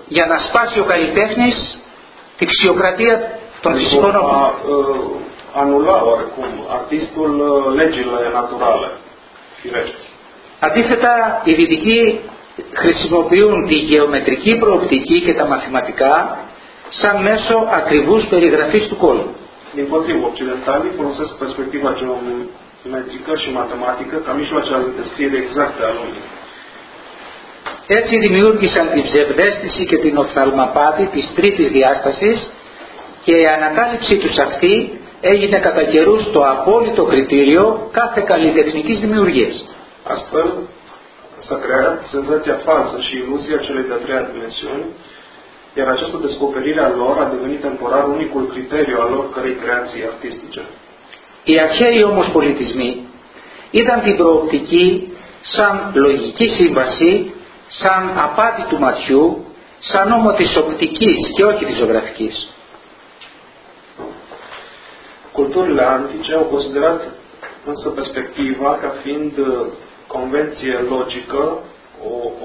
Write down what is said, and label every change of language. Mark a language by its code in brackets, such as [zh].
[el] Για να σπάσει ο καλλιτέχνης τη φυσιοκρατία των φυσικών όμων. [ro] Anula oricum artistul legile naturale, firești. [el] Αντίθετα, οι δυτικοί χρησιμοποιούν τη γεωμετρική προοπτική και τα μαθηματικά σαν μέσο ακριβούς περιγραφής του κόσμου. [ro] Din potrivă, occidentalii folosesc perspectiva geometrică și matematică ca mijloace de descriere exactă a lumii. [el] Έτσι δημιούργησαν την ψευδέστηση και την οφθαλμαπάτη της τρίτης διάστασης και η ανακάλυψη τους αυτή έγινε κατά καιρούς το απόλυτο κριτήριο κάθε καλλιτεχνικής δημιουργίας. [ro] Astfel, s-a creat senzația falsă și iluzia celei de-a treia dimensiuni, iar această descoperire a lor a devenit temporar unicul criteriu al oricărei creații artistice. [el] Οι αρχαίοι όμως πολιτισμοί ήταν την προοπτική σαν λογική σύμβαση, σαν απάτη του ματιού, σαν νόμο της οπτικής και όχι της ζωγραφικής. [ro] Culturile antice au considerat însă perspectiva ca fiind convenție logică, o